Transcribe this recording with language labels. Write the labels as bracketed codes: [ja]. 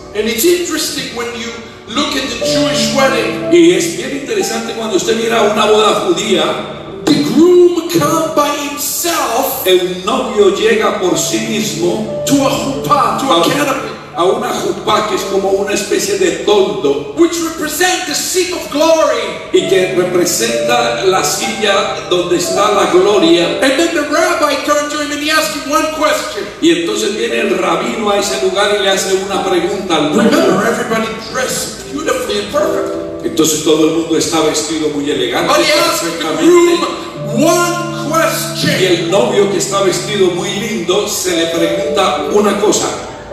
[en] And it's interesting when you look at the Jewish wedding. [es] Y es bien interesante cuando usted mira una boda judía. [en] The groom comes by himself. [es] El novio llega por sí mismo. [en] To a chupa, to a canopy. [es] a una jupá que es como una especie de toldo, [en] which represent the seat of glory, [es] y que representa la silla donde está la gloria. [en] And then the rabbi turned to him and he asked him one question. [es] Y entonces viene el rabino a ese lugar y le hace una pregunta al [en] rabino. Remember, everybody dressed beautifully and perfectly. [es] Entonces todo el mundo está vestido muy elegante. [en] But he asked the groom one question. [es] Y el novio que está vestido muy lindo se le pregunta una cosa.